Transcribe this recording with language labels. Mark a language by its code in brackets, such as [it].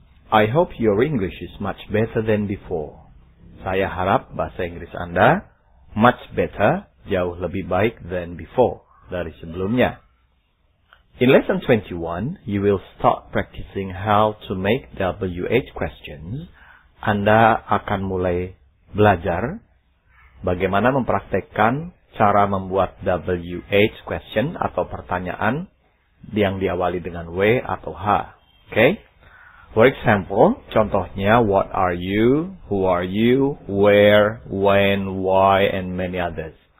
[en] I hope your English is much better than before. [id] Saya harap bahasa Inggris Anda much better, jauh lebih baik than before, dari sebelumnya. [en] In lesson 21, you will start practicing how to make WH questions. [id] Anda akan mulai belajar bagaimana mempraktekkan cara membuat WH question atau pertanyaan yang diawali dengan W atau H. [en] Okay? For example, contohnya, what are you, who are you, where, when, why, and many others.